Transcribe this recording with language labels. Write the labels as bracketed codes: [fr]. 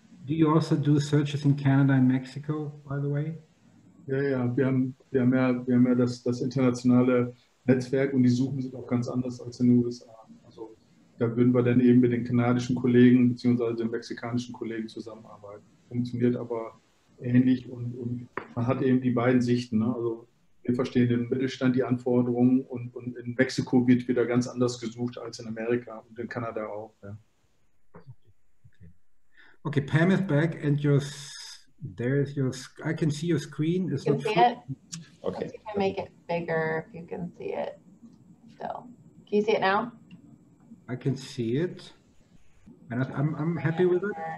[en] Do you also do searches in Canada and Mexico, by the way? [de] Ja, wir haben ja das internationale Netzwerk, und die Suchen sind auch ganz anders als in den USA. Also da würden wir dann eben mit den kanadischen Kollegen bzw. den mexikanischen Kollegen zusammenarbeiten. Funktioniert aber ähnlich, und man hat eben die beiden Sichten, ne? Also wir verstehen den Mittelstand, die Anforderungen, und in Mexiko wird wieder ganz anders gesucht als in Amerika und in Kanada auch. Ja. [en] Okay, Pam is back, and I can see your screen. Is you can see it? Okay. If you can make it bigger, if you can see it still. Can you see it now? I can see it. And I'm happy with it.